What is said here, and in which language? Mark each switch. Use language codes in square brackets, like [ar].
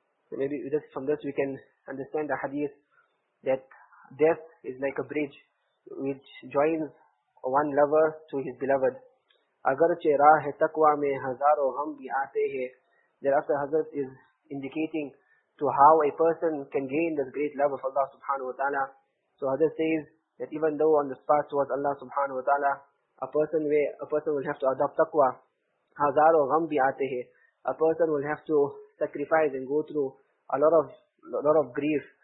[en] So maybe just from this we can understand the hadith that death is like a bridge which joins one lover to his beloved. [ur] اگرچہ راہ تقوا میں ہزاروں غم بھی آتے ہیں. [en] Thereafter, Hazrat is indicating to how a person can gain this great love of Allah subhanahu wa ta'ala. So Hazrat says that even though on the path towards Allah subhanahu wa ta'ala, A person will have to adopt taqwa. [ur] Hazar or gham bhi aate hai. [en] A person will have to sacrifice and go through a lot of grief.